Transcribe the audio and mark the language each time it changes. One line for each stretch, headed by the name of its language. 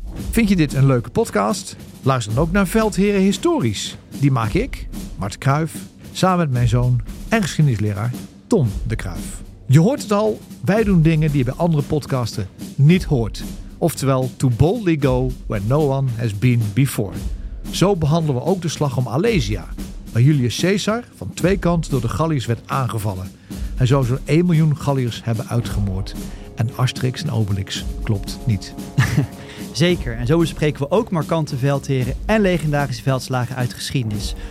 Dutch: Vind je dit een leuke podcast? Luister dan ook naar Veldheren Historisch. Die maak ik, Mart Kruijf, samen met mijn zoon en geschiedenisleraar Tom de Kruijf. Je hoort het al, wij doen dingen die je bij andere podcasten niet hoort.
English: Oftewel, to boldly go where no one has been before.
Dutch: Zo behandelen we ook de slag om Alesia, waar Julius Caesar van 2 kanten door de Galliërs werd aangevallen. Hij zou zo'n 1 miljoen Galliërs hebben uitgemoord. En Asterix en Obelix klopt niet. Zeker, en zo bespreken we ook markante veldheren en legendarische veldslagen uit geschiedenis.